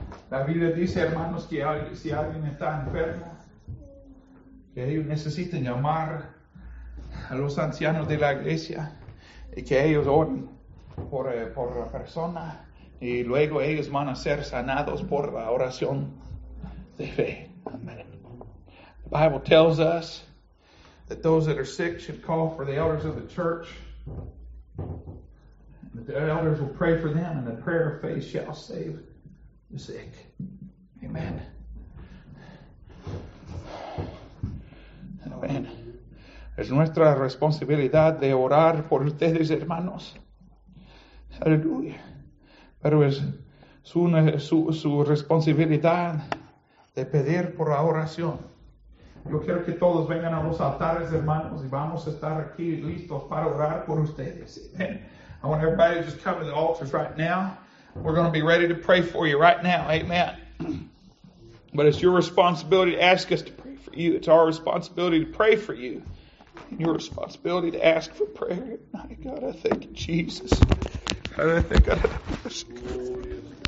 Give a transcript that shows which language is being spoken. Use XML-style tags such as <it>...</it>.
<es>La Biblia dice, hermanos, que si alguien está enfermo, que ellos necesitan llamar a los ancianos de la iglesia y que ellos oren por la persona, y luego ellos van a ser sanados por la oración de fe. Amen.</es> <en>The Bible tells us that those that are sick should call for the elders of the church, that the elders will pray for them, and the prayer of faith shall save the sick. Amen. Amen.</en> <es>Es nuestra responsabilidad de orar por ustedes, hermanos. Aleluya. Pero es su responsabilidad de pedir por la oración. Yo quiero que todos vengan a los altares, hermanos, y vamos a estar aquí listos para orar por ustedes.</es> <en>Amen. I want everybody to just come to the altars right now. We're going to be ready to pray for you right now. Amen. But it's your responsibility to ask us to pray for you. It's our responsibility to pray for you. And your responsibility to ask for prayer. My God, I thank you, Jesus. I think I'd have to.</en>